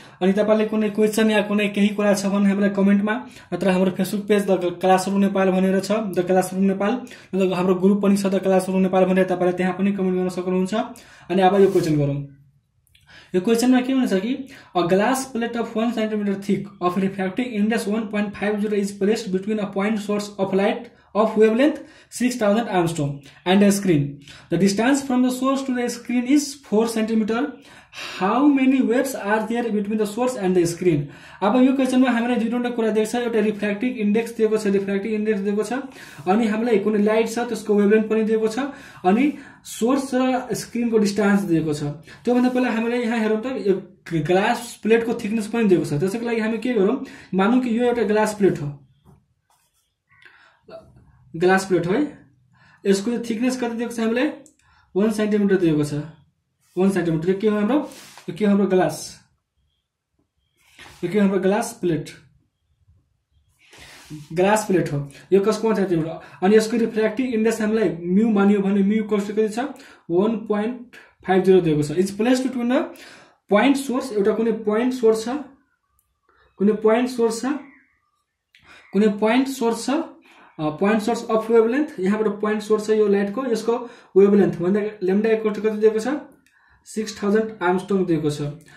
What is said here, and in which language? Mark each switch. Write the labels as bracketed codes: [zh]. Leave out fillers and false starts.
[ne] अनि तपाईँले कुनै क्वेसन या कुनै केही कुरा छ भने हामीलाई कमेन्टमा, नत्र हाम्रो Facebook page the classroom Nepal भनेर छ, द क्लासरुम नेपाल, नत्र हाम्रो ग्रुप पनि छ द क्लासरुम नेपाल भनेर, तपाईँले त्यहाँ पनि कमेन्ट गर्न सक्नुहुन्छ। अनि अब यो क्वेसन गरौँ। यो क्वेसनमा के हुन्छ कि [en] A glass plate of 1 centimetre thick of refractive index 1.50 is placed between a point source of light of wavelength 6000 angstrom and a screen. The distance from the source to the screen is 4 cm. How many waves are there between the source and the screen? [ne] अब यो क्वेसनमा हामीलाई दुईवटा कुरा दिएको छ। एउटा refractive index दिएको छ, रिफ्र्याक्टिभ इन्डेक्स दिएको छ, अनि हामीलाई कुनै लाइट छ त्यसको वेभलेन्थ पनि दिएको छ, अनि सोर्स र स्क्रिनको डिस्टान्स दिएको छ। त्योभन्दा पहिला हामीलाई यहाँ हेरौँ त, यो ग्लास प्लेटको थिकनेस पनि दिएको छ। त्यसको लागि हामी के गरौँ, मानौँ कि यो एउटा ग्लास प्लेट हो, ग्लास प्लेट है, यसको थिकनेस कति दिएको छ हामीलाई, 1 सेन्टिमिटर दिएको छ। 1 सेन्टिमिटर के हो हाम्रो, के हाम्रो ग्लास, के हाम्रो ग्लास प्लेट, ग्लास प्लेट हो यो, कसको 1 सेन्टिमिटर। अनि यसको रिफ्र्याक्टिभ इन्डेक्स हामीलाई म्यू मान्यो भने म्यू कस्तो कति छ, 1.50 दिएको छ। [en] it's place to टुन point source, [ne] एउटा कुनै पोइन्ट सोर्स छ, पोइन्ट सोर्स अफ वेभलेन्थ, यहाँबाट पोइन्ट सोर्स छ यो लाइटको, यसको वेभलेन्थ भन्दा लेम्डा इक्वल कति दिएको छ, 6000 आर्मस्ट्रङ दिएको छ।